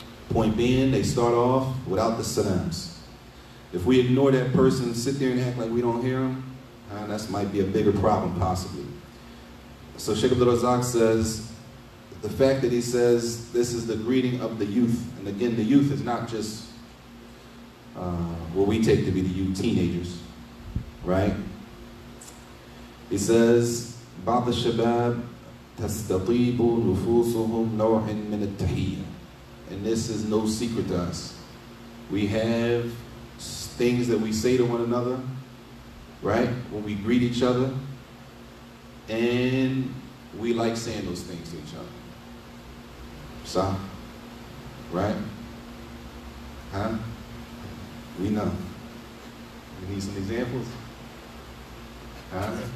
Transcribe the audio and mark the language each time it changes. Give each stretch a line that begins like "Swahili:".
English: Point being, they start off without the salams. If we ignore that person, sit there and act like we don't hear them, that might be a bigger problem, possibly. So Sheikh Abdul Razak says, the fact that he says this is the greeting of the youth, and again, the youth is not just what we take to be the youth, teenagers, right? He says,
Arabic: بعض الشباب تستطيب نفوسهم نوع من التحية.
English: And this is no secret to us. We have things that we say to one another, right? When we greet each other, and we like saying those things to each other. So, right? Huh? We know. We need some examples. Huh?